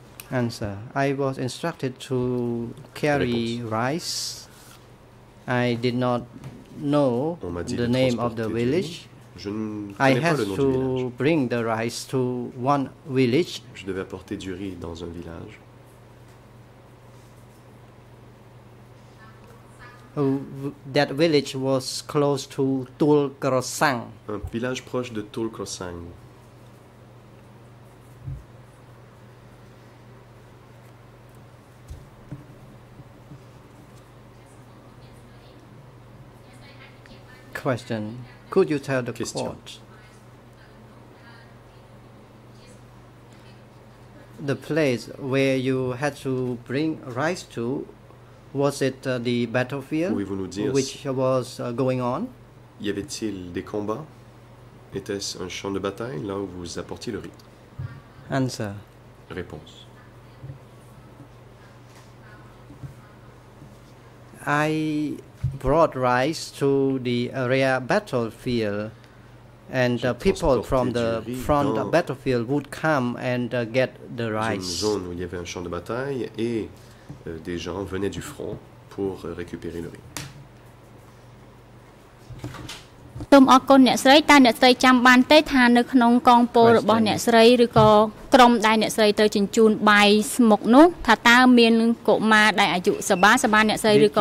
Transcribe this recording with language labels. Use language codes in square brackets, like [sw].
[en] Answer. I was instructed to carry rice. I did not know the name of the village. I had to bring the rice to one village. [fr] Je devais apporter du riz dans un village. [en] That village was close to Tul Krosang. [fr] Un village proche de Tul Krosang. [en] Question. Could you tell the Question. Court the place where you had to bring rice to? Was it the battlefield which was going on? [fr] Y avait-il des combats? Était-ce un champ de bataille là où vous apportiez le riz? [en] Answer. [fr] Réponse. [en] I brought rice to the area battlefield, and people from the front battlefield would come and get the rice. [fr] Une zone où il y avait un champ de bataille et des gens venaient du front pour récupérer le riz. [km] សូមអរគុណអ្នកស្រីតើអ្នកស្រីចាំបានទេថានៅក្នុងកងពលរបស់អ្នកស្រីឬក៏ក្រុមដែលអ្នកស្រីត្រូវជញ្ជូនបាយស្មុកនោះថាតើមានកុមារដែលអាយុសបាសបាអ្នកស្រីឬក